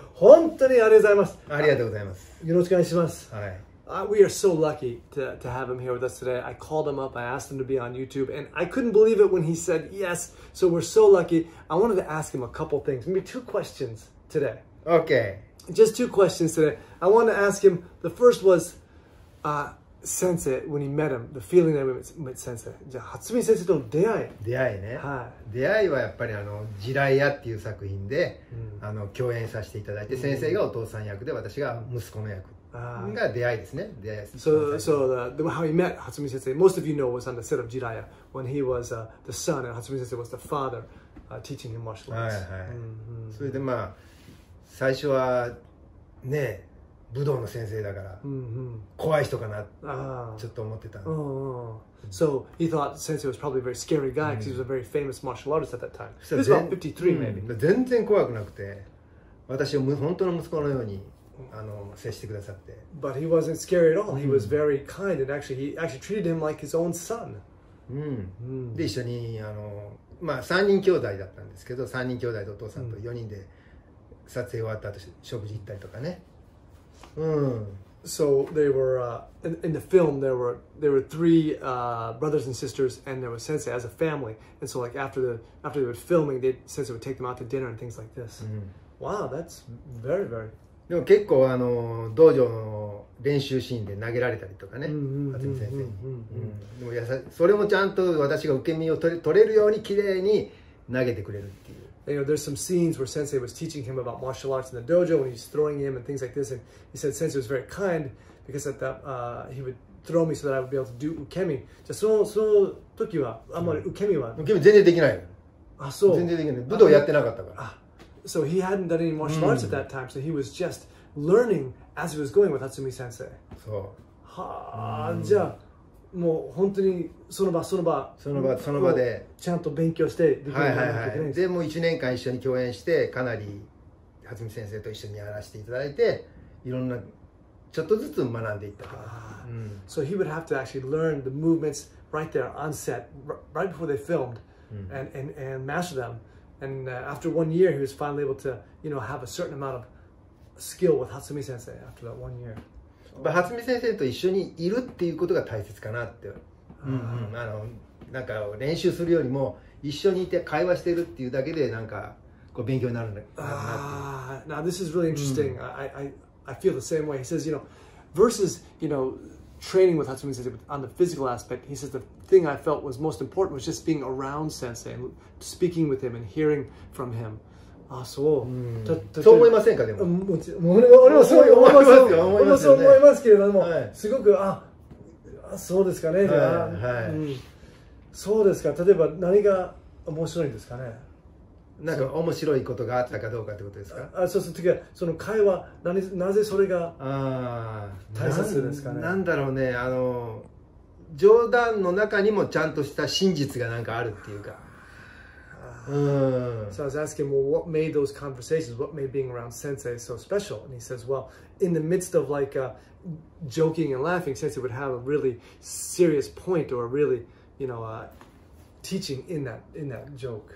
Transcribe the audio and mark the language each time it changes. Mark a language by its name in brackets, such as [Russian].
[Japanese] 本当にありがとうございます。ありがとうございます。よろしくお願いします。はい。 [English] We are so lucky to have him here with us today. I called him up. I asked him to be on YouTube, and I couldn't believe it when he said yes. So we're so lucky. I wanted to ask him a couple things. Maybe two questions today. Okay. Just two questions today. I wanted to ask him, the first was,Sensei, when he met him, the feeling that he met Sensei. [Japanese] じゃあ、初見先生との出会い。出会いね。はい。出会いはやっぱりあの、ジライアっていう作品で、うん、あの共演させていただいて、先生がお父さん役で、私が息子の役。 [English] So how he met Hatsumi Sensei, most of you know was on the set of Jiraiya when he was the son and Hatsumi Sensei was the father teaching him martial arts. So then, [Japanese] まあ最初はね武道の先生だから怖い人かなちょっと思ってた。 [English] So he thought Sensei was probably a very scary guy because he was a very famous martial artist at that time. This was about 53 maybe. [Japanese] 全然怖くなくて私を本当の息子のように。あの接してくださって。 [English] But he wasn't scary at all. He was very kind and actually he actually treated him like his own son. [Japanese] で一緒にあのまあ3人兄弟だったんですけど、3人兄弟とお父さんと4人で撮影終わった後食事行ったりとかね。 [English] So they were in the film there were three brothers and sisters and there was Sensei as a family. And so like after they were filming, Sensei would take them out to dinner and things like this. Wow, that's very very. [Japanese] でも結構あの道場の練習シーンで投げられたりとかね、初見先生に。それもちゃんと私が受け身を取れるように綺麗に投げてくれるっていう。 [English] You know, there's some scenes where Sensei was teaching him about martial arts in the dojo when he's throwing him and things like this. And he said Sensei was very kind because at that, he would throw me so that I would be able to do ukemi. [Japanese] じゃあその時はあんまり ukemi は、 ukemi 全然できない。あ、そう。全然できない。武道やってなかったから。 [English] So he hadn't done any martial arts at that time, so he was just learning as he was going with Hatsumi sensei. So, [Japanese] ha, じゃあもう本当にその場でちゃんと勉強してできるようになってくれる。でもう1年間一緒に共演してかなり Hatsumi先生と一緒にやらせていただいて、いろんなちょっとずつ学んでいった。 [English] So he would have to actually learn the movements right there on set, right before they filmed, and master them. And after 1 year, he was finally able to, you know, have a certain amount of skill with Hatsumi Sensei after that 1 year. [Japanese] But Hatsumi Sensei と一緒にいるっていうことが大切かなって。あのなんか練習するよりも一緒にいて会話しているっていうだけでなんかこう勉強になるんだ。 [English] Now this is really interesting. I feel the same way. He says, you know, versus, you know, training with Hatsumi Sensei on the physical aspect. He says the thing I felt was most important was just being around Sensei and speaking with him and hearing from him. Ah, so. [Japanese] そう思いませんかでも。もちろん、俺もそう思います。俺もそう思いますけれども、すごくそうですかね。はい。そうですか。例えば何が面白いんですかね。なんか面白いことがあったかどうかってことですか。あ、そうそう。次はその会話、なぜそれが大切ですかね。なんだろうね、あの。冗談の中にもちゃんとした真実がなんかあるっていうか。 [English] So I was asking, well, what made those conversations, what made being around Sensei so special? And he says, well, in the midst of like joking and laughing, Sensei would have a really serious point or a really, you know, teaching in that joke.